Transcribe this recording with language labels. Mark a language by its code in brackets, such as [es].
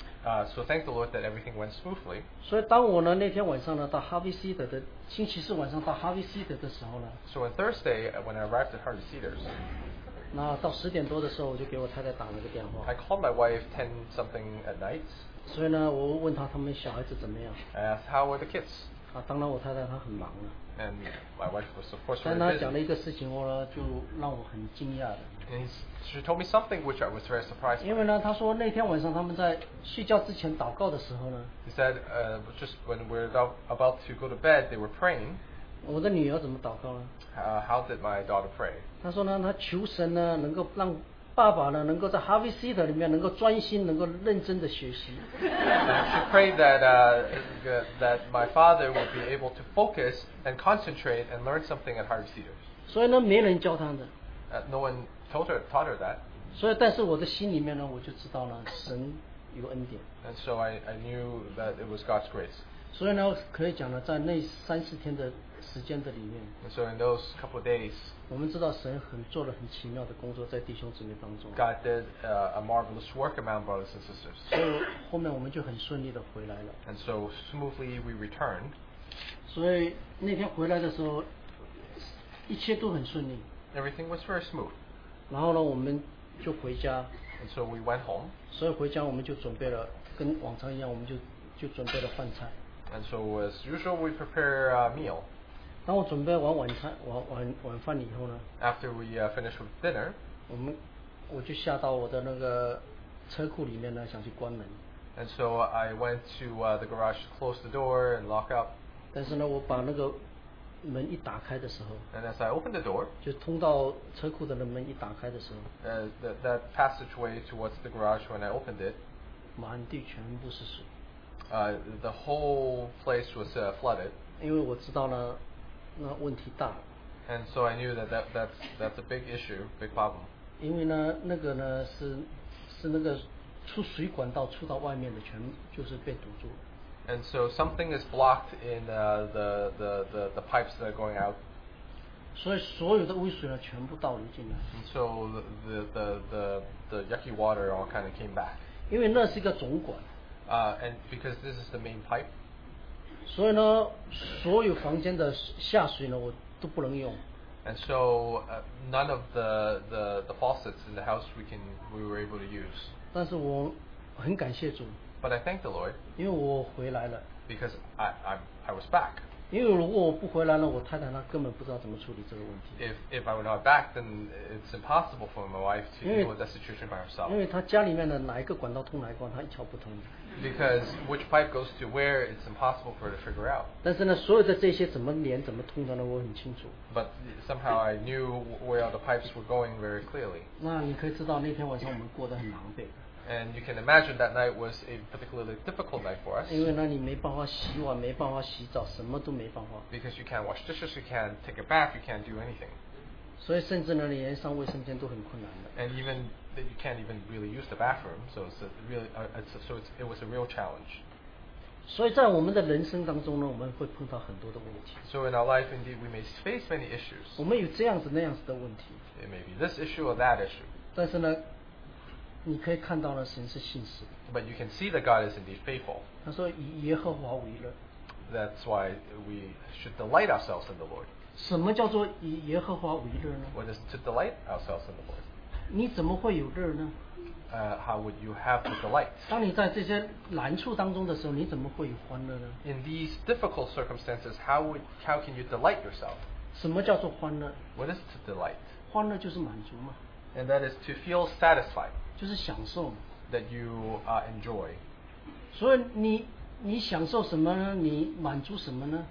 [en] So thank the Lord that everything went smoothly. [zh] 所以当我呢那天晚上呢到 Harvey Cedar 的星期四晚上到 Harvey Cedar 的时候呢。 [en] So on Thursday when I arrived at Harvey Cedar's. [zh] 那到十点多的时候，我就给我太太打了个电话。 [en] I called my wife 10 something at night. [zh] 所以呢，我问她他们小孩子怎么样。 [en] I asked how were the kids. [zh] 当然我太太她很忙了。 [en] And my wife was of course. [zh] 但她讲了一个事情，我呢就让我很惊讶的。 [en] And she told me something which I was very surprised. [zh] 因为呢，她说那天晚上他们在睡觉之前祷告的时候呢。 [en] He said, just when we're about to go to bed, they were praying. [zh] 我的女儿怎么祷告呢？ [en] How did my daughter pray? [zh] 她说呢，她求神呢能够让。爸爸呢，能够在 Harvey Theater 里面能够专心，能够认真的学习。 [en] She prayed that that my father would be able to focus and concentrate and learn something at Harvey Theater. [zh] 所以呢，没人教他的。 [en] No one taught her that. [zh] 所以，但是我的心里面呢，我就知道了神有恩典。 [en] And so I knew that it was God's grace. [zh] 所以呢，可以讲呢，在那三四天的。时间的里面 [en] and so in those couple of days, [zh] 我们知道神很做了很奇妙的工作在弟兄姊妹当中 [en] God did a marvelous work among brothers and sisters. [zh] 所以后面我们就很顺利的回来了 [en] And so smoothly we returned. [zh] 所以那天回来的时候一切都很顺利 [en] Everything was very smooth. [zh] 然后呢我们就回家 [en] And so we went home. [zh] 所以回家我们就准备了跟往常一样我们 就准备了饭菜 [en] And so as usual we prepare a meal. [zh] 当我准备完晚餐、晚饭以后呢 [en] ？After we finish with dinner， [zh] 我就下到我的那个车库里面呢，想去关门。 [en] And so I went to the garage to close the door and lock up。 [zh] 但是呢，我把那个门一打开的时候 [en] ，And as I opened the door， [zh] 就通到车库的那门一打开的时候 [en] ，That passageway towards the garage when I opened it， [zh] 满地全部是水。 [en] The whole place was flooded。 [zh] 因为我知道呢。那问题大。 [en] And so I knew that's a big issue, big problem. [zh] 因为呢，那个呢是那个出水管道出到外面的，全就是被堵住。 [en] And so something is blocked in the pipes that are going out. [zh] 所以所有的污水呢，全部倒流进来。 [en] And so the yucky water all kind of came back. [zh] 因为那是一个总管。 [en] And because this is the main pipe. [zh] 所以呢，所有房间的下水呢，我都不能用。 [en] And so, none of the faucets in the house we were able to use. [zh] 但是我很感谢主。 [en] But I thank the Lord. [zh] 因为我回来了。 [en] Because I was back. [zh] 因为如果我不回来了，我太太她根本不知道怎么处理这个问题。 [en] If I were not back, then it's impossible for my wife to deal with that situation by herself. [zh] 因为她家里面的哪一个管道通哪一管，她一窍不通。 [en] Because which pipe goes to where, it's impossible for her to figure out. [zh] 但是呢，所有的这些怎么连、怎么通的呢？我很清楚。 [en] But somehow I knew where all the pipes were going very clearly. [zh] 那你可以知道那天晚上我们过得很狼狈。 [en] And you can imagine that night was a particularly difficult night for us. [zh] 因为呢，你没办法洗碗，没办法洗澡，什么都没办法。 [en] Because you can't wash dishes, you can't take a bath, you can't do anything. [zh] 所以甚至呢，连上卫生间都很困难的。 [en] And evenThat you can't even really use the bathroom, so it's a really, it was a real challenge. [zh] 所以在我们的人生当中呢，我们会碰到很多的问题。 [en] So in our life, indeed, we may face many issues. [zh] 我们有这样子那样子的问题。 [en] It may be this issue or that issue. [zh] 但是呢，你可以看到呢，神是信实的。 [en] But you can see that God is indeed faithful. [zh] 他说以耶和华为乐。 [en] That's why we should delight ourselves in the Lord. [zh] 什么叫做以耶和华为乐呢 [en] ？What is to delight ourselves in the Lord? [zh] 你怎么会有乐呢 [en] ？How would you have the delight？ [zh] 当你在这些难处当中的时候，你怎么会有欢乐呢 [en] ？In these difficult circumstances, how can you delight yourself？ [zh] 什么叫做欢乐 [en] ？What is to delight？ [zh] 欢乐就是满足嘛。 [en] And that is to feel satisfied。 [zh] 就是享受嘛。 [en] That you enjoy。 [zh] 所以你享受什么呢？你满足什么呢